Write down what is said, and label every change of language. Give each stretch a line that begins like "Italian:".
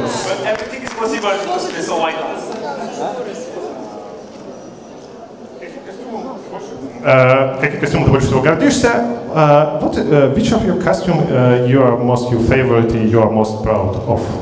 English: But everything is possible in cosplay, so why not?
Russian: Какие костюмы ты больше всего гордишься?
English: Which of your costume you are most your favorite and you are most proud of?